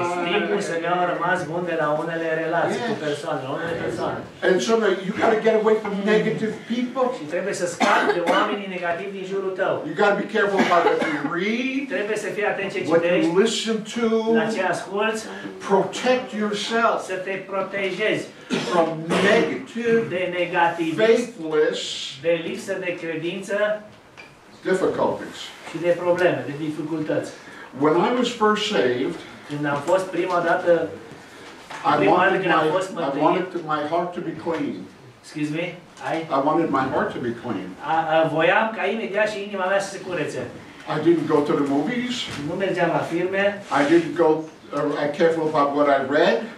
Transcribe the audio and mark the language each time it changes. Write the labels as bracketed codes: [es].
[ro] Este timpul să ne-am rămas bun de la unele relații cu persoane, unele persoane. [en] And so you got to get away from negative people. [ro] Și trebuie să scapi de oamenii negativi din jurul tău. [en] You got to be careful about what you read. [ro] Trebuie să fii atent ce [en] citești. What you listen to. [ro] La ce asculți. [en] Protect yourself. [ro] Să te protejezi. [en] From negative. [ro] De negativism. [en] Faithless. [ro] De lipsă de credință. [en] Difficulties. [ro] Și de probleme, de dificultăți. [en] When I was first saved, [ro] când am fost prima dată, [en] I wanted my heart to be clean. Excuse me? I wanted my heart to be clean. [ro] Voiam ca imediat și inima mea să se curețe. [en] I didn't go to the movies. [ro] Nu mergeam la filme. [en] I didn't go careful about what I read.